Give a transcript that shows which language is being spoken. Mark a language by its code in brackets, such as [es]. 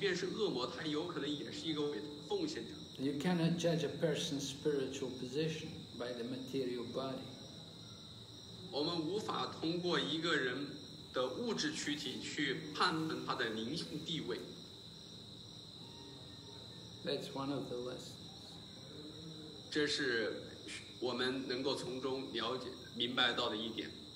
[zh] 我们从这个故事中了解到，一个人他即便是恶魔，他有可能也是一个奉献者。 [en] You cannot judge a person's spiritual position by the material body. [zh] 我们无法通过一个人的物质躯体去判断他的灵性地位。 [en] That's one of the lessons. [zh] 这是我们能够从中了解明白到的一点。